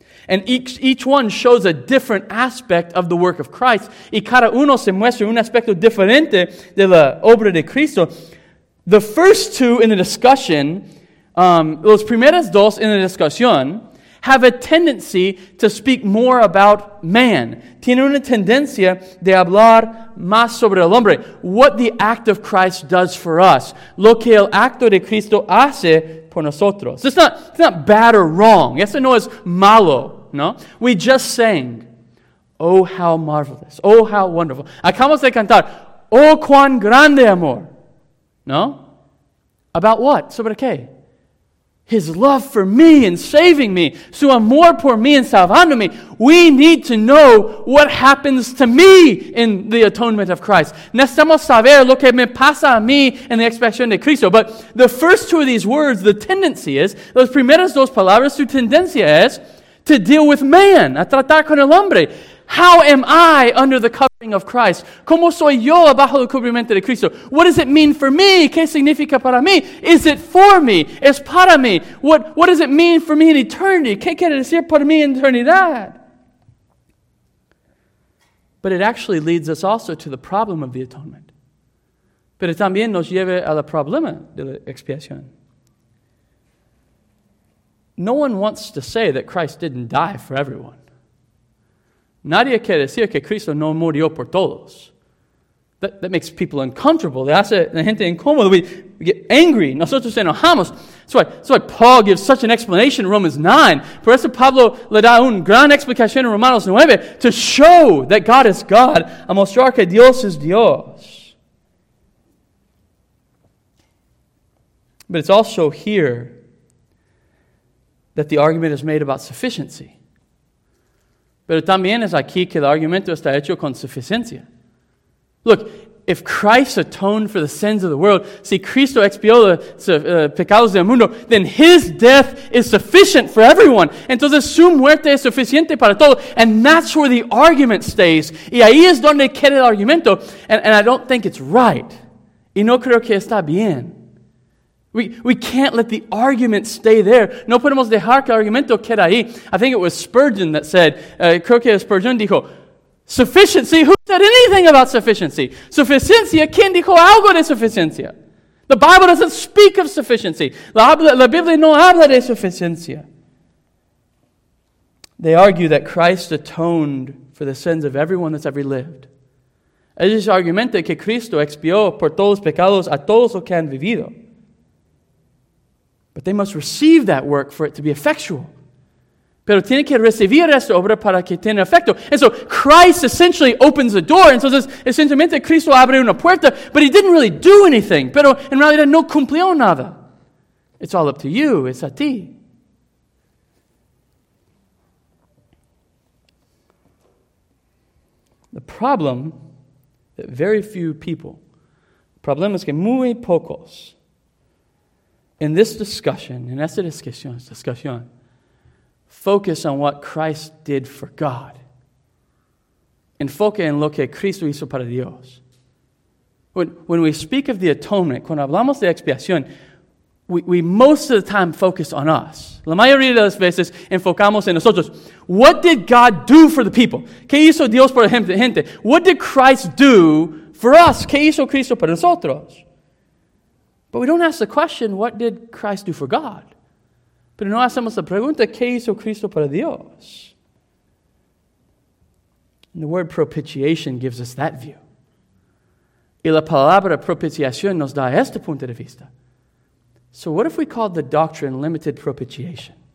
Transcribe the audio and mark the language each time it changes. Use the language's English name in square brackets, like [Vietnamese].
[English] And each one shows a different aspect of the work of Christ. [Spanish] Y cada uno se muestra un aspecto diferente de la obra de Cristo. [English] The first two in the discussion, [Spanish] los primeros dos en la discusión, [English] have a tendency to speak more about man. [Spanish] Tiene una tendencia de hablar más sobre el hombre. [English] What the act of Christ does for us. [Spanish] Lo que el acto de Cristo hace por nosotros. [English] It's not bad or wrong. [Spanish] Eso no es malo, ¿no? [English] We just sang, oh, how marvelous. Oh, how wonderful. [Spanish] Acabamos de cantar, oh, cuán grande amor. ¿No? [English] About what? [Spanish] Sobre qué? [English] His love for me and saving me. [Spanish] Su amor por mí en salvando me. [English] We need to know what happens to me in the atonement of Christ. [Spanish] Necesitamos saber lo que me pasa a mí en la expiación de Cristo. [English] But the first two of these words, the tendency is, [Spanish] las primeras dos palabras, su tendencia es [English] to deal with man, [Spanish] a tratar con el hombre. [English] How am I under the covering of Christ? [Spanish] ¿Cómo soy yo bajo el cubrimiento de Cristo? [English] What does it mean for me? [Spanish] ¿Qué significa para mí? [English] Is it for me? [Spanish] ¿Es para mí? [English] What does it mean for me in eternity? [Spanish] ¿Qué quiere decir para mí en eternidad? [English] But it actually leads us also to the problem of the atonement. [Spanish] Pero también nos lleva al problema de la expiación. [English] No one wants to say that Christ didn't die for everyone. [Spanish] Nadie quiere decir que Cristo no murió por todos. [English] That makes people uncomfortable. [Spanish] Le hace la gente incómoda. [English] We get angry. [Spanish] Nosotros enojamos. [English] That's why Paul gives such an explanation in Romans 9. [Spanish] Por eso Pablo le da una gran explicación en Romanos 9 [English] to show that God is God, [Spanish] a mostrar que Dios es Dios. [English] But it's also here that the argument is made about sufficiency. [Spanish] Pero también es aquí que el argumento está hecho con suficiencia. [English] Look, if Christ atoned for the sins of the world, [Spanish] si Cristo expió los pecados del mundo, [English] then his death is sufficient for everyone. [Spanish] Entonces su muerte es suficiente para todos. [English] And that's where the argument stays. [Spanish] Y ahí es donde queda el argumento. [English] And I don't think it's right. [Spanish] Y no creo que está bien. [English] We can't let the argument stay there. [Spanish] No podemos dejar que el argumento quede ahí. [English] I think it was Spurgeon that said, [Spanish] creo que Spurgeon dijo, [English] sufficiency? Who said anything about sufficiency? [Spanish] Suficiencia? ¿Quién dijo algo de suficiencia? [English] The Bible doesn't speak of sufficiency. [Spanish] La Biblia no habla de suficiencia. [English] They argue that Christ atoned for the sins of everyone that's ever lived. [Spanish] Ellos argumentan que Cristo expió por todos los pecados a todos los que han vivido. [English] But they must receive that work for it to be effectual. [Spanish] Pero tiene que recibir esta obra para que tenga efecto. [English] And so Christ essentially opens the door. And so this essentially [Spanish] Cristo abre una puerta, [English] but he didn't really do anything. [Spanish] Pero en realidad no cumplió nada. [English] It's all up to you. [Spanish] It's a ti. [English] The problem that very few people, the problem [Spanish] es que muy pocos, [English] in this discussion, in [Spanish] esta discusión, [English] focus on what Christ did for God. [Spanish] Enfoque en lo que Cristo hizo para Dios. [English] When we speak of the atonement, [Spanish] cuando hablamos de expiación, [English] we most of the time focus on us. [Spanish] La mayoría de las veces enfocamos en nosotros. [English] What did God do for the people? [Spanish] ¿Qué hizo Dios por la gente? [English] What did Christ do for us? [Spanish] ¿Qué hizo Cristo para nosotros? [English] But we don't ask the question, what did Christ do for God? [Spanish] Pero no hacemos la pregunta, ¿qué hizo Cristo para Dios? [English] And the word propitiation gives us that view. [Spanish] Y la palabra propiciación nos da este punto de vista. [English] So what if we called the doctrine limited propitiation?